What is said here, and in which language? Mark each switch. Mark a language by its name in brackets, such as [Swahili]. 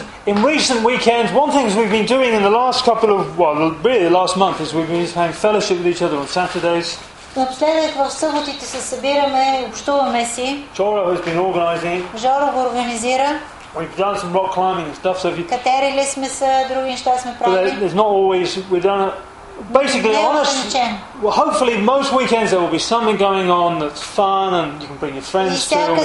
[English] In recent weekends, one thing we've been doing in the last couple of, well, really the last month, is we've been having fellowship with each other on Saturdays. [Bulgarian] Напоследък в съботите се събираме, общуваме си. [English] Жоро has been organizing. [Bulgarian] Жоро го организира. [English] We've done some rock climbing and stuff. So if you... [Bulgarian] Катерили сме се, други неща сме правили. [English] But there's not always, we've done it. Basically, honest. Well, hopefully, most weekends there will be something going on that's fun, and you can bring your friends to have fun together.